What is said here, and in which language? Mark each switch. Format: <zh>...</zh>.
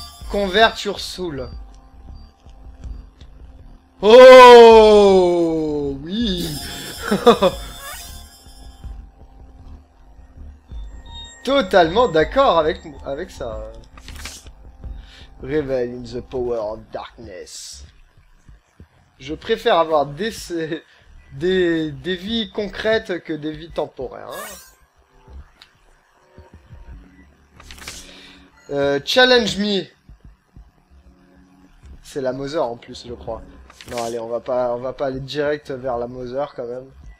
<en>Convert your soul.</en> <fr>Oh, oui. Totalement d'accord avec ça.</fr> <en>Revel in the power of darkness.</en> <fr>Je préfère avoir des vies concrètes que des vies temporaires.</fr> <en>Hein. Challenge me.</en> <fr>C'est la Mother en plus, je crois. Non, allez, on va pas aller direct vers la Mother quand même.</fr>